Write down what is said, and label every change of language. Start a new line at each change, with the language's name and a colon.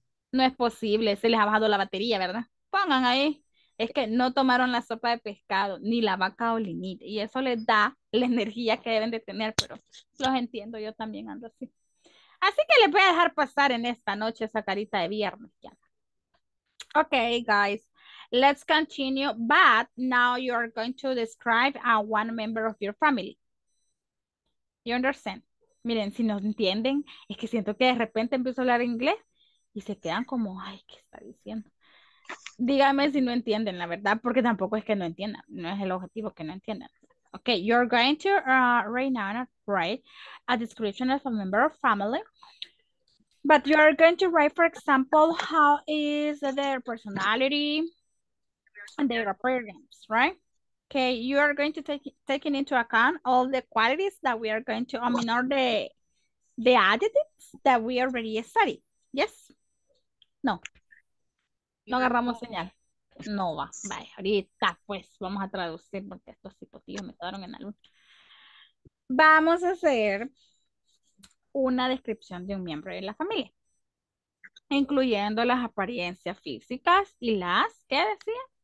Spanish: No es posible, se les ha bajado la batería, ¿verdad? Pongan ahí, es que no tomaron la sopa de pescado, ni la vaca o limite, y eso les da la energía que deben de tener, pero los entiendo, yo también ando así. Así que les voy a dejar pasar en esta noche esa carita de viernes ya.
English: Okay, guys, let's continue, but now you're going to describe a one member of your family. You understand?
Spanish: Miren, si no entienden, es que siento que de repente empiezo a hablar inglés y se quedan como, ay, ¿qué está diciendo? Díganme si no entienden, la verdad, porque tampoco es que no entiendan, no es el objetivo que no entiendan.
English: Okay, you're going to right now write a description of a member of family. But you are going to write, for example, how is their personality and their appearance, right? Okay, you are going to take into account all the qualities that we are going to ignore the adjectives that we already studied.
Spanish: Yes? No. No agarramos señal. No va. Vaya, ahorita pues vamos a traducir porque estos tipotillos me quedaron en la luz. Vamos a hacer una descripción de un miembro de la familia, incluyendo las apariencias físicas y las, ¿qué decía?